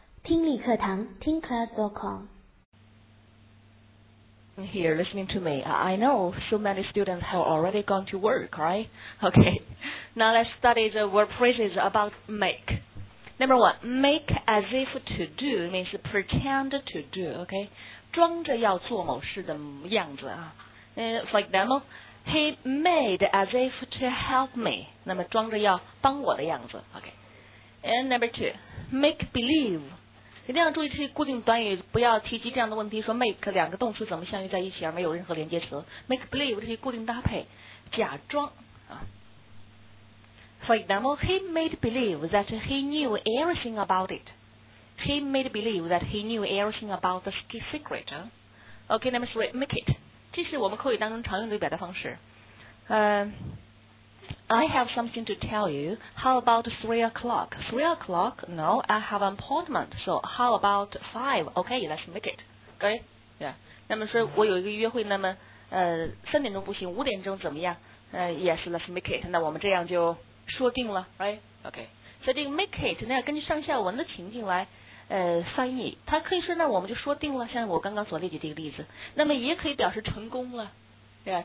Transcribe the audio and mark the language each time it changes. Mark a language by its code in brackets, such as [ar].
[zh] 听力课堂，听 class.com。 [en] Here, listening to me. I know so many students have already gone to work, right? Okay. Now let's study the word phrases about make. Number one, make as if to do means pretend to do, okay? [zh] 装着要做某事的样子啊。 [en] For example, he made as if to help me. [zh] 那么装着要帮我的样子 okay? [en] And number two, make believe. [zh] 一定要注意这些固定短语，不要提及这样的问题，说 make 两个动词怎么相遇在一起而没有任何连接词。 Make believe 这些固定搭配，假装啊。 [en] For example, he made believe that he knew everything about it. He made believe that he knew everything about the secret. Okay, number three, make it. [zh] 这是我们口语当中常用的表达方式。 [en] I have something to tell you. How about 3 o'clock? 3 o'clock? No, I have an appointment. So how about 5? Okay, let's make it. Okay? Yeah. [zh] 那么说我有一个约会，那么三点钟不行，五点钟怎么样？ [en] Yes, let's make it. [zh] 那我们这样就说定了 ，right? [en] Okay. [zh] 所以这个 make it 那要根据上下文的情境来翻译。它可以说那我们就说定了，像我刚刚所列举这个例子。那么也可以表示成功了，对吧？